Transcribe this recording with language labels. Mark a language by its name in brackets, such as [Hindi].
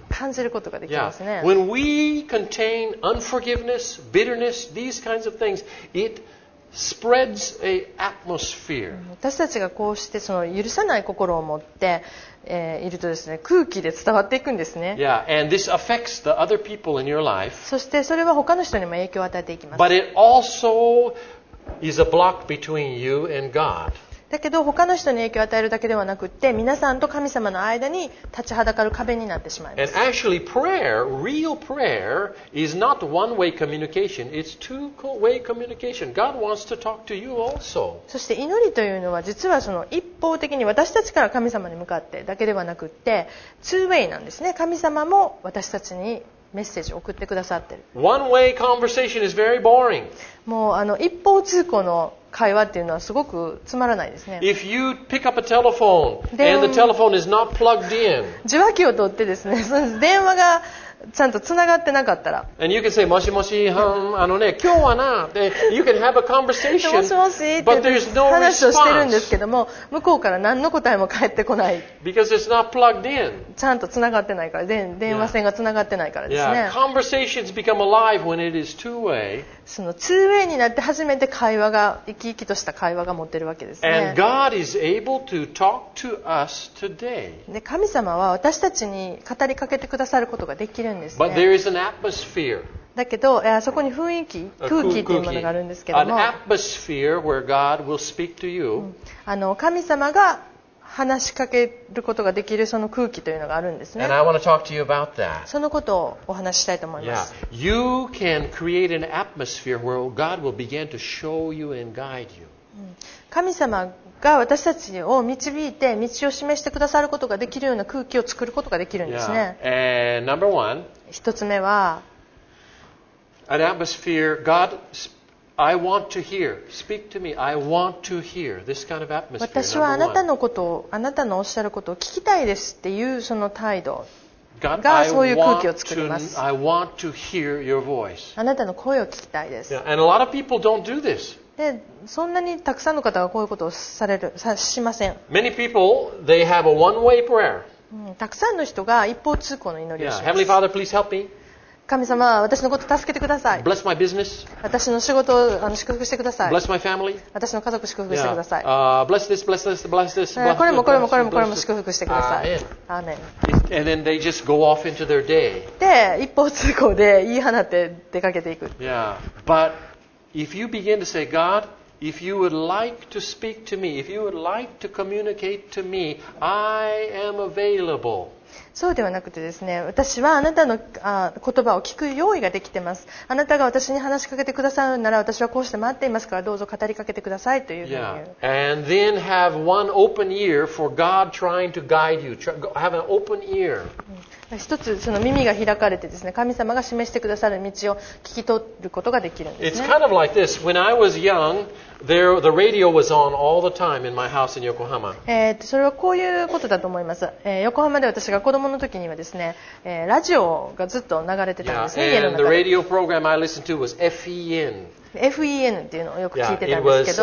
[Japanese] 感じることができますね。 [English] When we contain unforgiveness, bitterness, these kinds of things, it spreads a atmosphere. [Japanese] 私たちがこうしてその許さない心を持って、いるとですね、空気で伝わっていくんですね。 [English] Yeah, and this affects the other people in your life. [Japanese] そしてそれは他の人にも影響を与えていきます。 [English] But it also is a block between you and God. [Japanese] だけど他の人に影響を与えるだけではなくて皆さんと神様の間に立ちはだかる壁になってしまいます。 [English] And actually prayer, real prayer, is not one-way communication. It's two-way communication. God wants to talk to you also. [Japanese] そして祈りというのは実はその一方的に私たちから神様に向かってだけではなくて two-way なんですね。神様も私たちにメッセージを送ってくださってる。 [English] One-way conversation is very boring. [Japanese] もうあの一方通行の会話っていうのはすごくつまらないですね。 [English] If you pick up a telephone and the telephone is not plugged in, [Japanese] 受話器を取ってですね、電話がちゃんとつながってなかったら、 [English] and you can say, [Japanese] もしもし、あのね、今日はな、で、 [English] you can have a conversation, [Japanese] もしもし、 [English] but there's no response. [Japanese] 話をしてるんですけども、向こうから何の答えも返ってこない。 [English] Because it's not plugged in. [Japanese] ちゃんとつながってないから、電話線がつながってないからですね。 [English] Yeah. Conversations become alive when it is two-way. [Japanese] そのツーウェイになって初めて会話が生き生きとした会話が持ってるわけですね。 [English] And God is able to talk to us today. [Japanese] で神様は私たちに語りかけてくださることができるんですね。 [English] But there is an atmosphere. [Japanese] だけどあそこに雰囲気、空気というものがあるんですけども、 [English] an atmosphere where God will speak to you. [Japanese] あの神様が話しかけることができるその空気というのがあるんですね。 [English] And I want to talk to you about that. [Japanese] そのことをお話ししたいと思います。 [English] Yeah. You can create an atmosphere where God will begin to show you and guide you. [Japanese] 神様が私たちを導いて道を示してくださることができるような空気を作ることができるんですね。 [English] Yeah. And number one, [Japanese] 一つ目は、 [English] an atmosphere God speaks. I want to hear. Speak to me. I want to hear this kind of atmosphere. [Japanese] 私はあなたのことを、あなたのおっしゃることを聞きたいですっていうその態度がそういう空気を作ります。 [English] I want to hear your voice. [Japanese] あなたの声を聞きたいです。 [English] And a lot of people don't do this. [Japanese] で、そんなにたくさんの方がこういうことをされる、しません。 [English] Many people, they have a one-way prayer. [Japanese] たくさんの人が一方通行の祈りをします。 [English] Yeah. Heavenly Father, please help me. [Japanese] 神様、私のこと助けてください。 [English] Bless my business. [Japanese] 私の仕事を祝福してください。 [English] Bless my family. [Japanese] 私の家族を祝福してください。 [English] Bless this, bless this, bless this. [Japanese] これもこれもこれもこれも祝福してください。アーメン。 [English] And then they just go off into their day. [Japanese] で、一方通行で言い放って出かけていく。 [English] Yeah. But if you begin to say, God, if you would like to speak to me, if you would like to communicate to me, I am available. [Japanese] そうではなくてですね、私はあなたの言葉を聞く用意ができてます。あなたが私に話しかけてくださるなら、私はこうして待っていますから、どうぞ語りかけてくださいというふうに言う。 [English] Yeah. And then have one open ear for God trying to guide you. Have an open ear. [Japanese] 一つその耳が開かれてですね、神様が示してくださる道を聞き取ることができるんですね。 [English] It's kind of like this. When I was young,The radio was on all the time in my house in Yokohama. [Japanese] それはこういうことだと思います。横浜で私が子供の時にはですね、ラジオがずっと流れてたんですね、家の中で。 [English] And the radio program I listened to was FEN. [Japanese] FEN っていうのをよく聞いてたんですけど。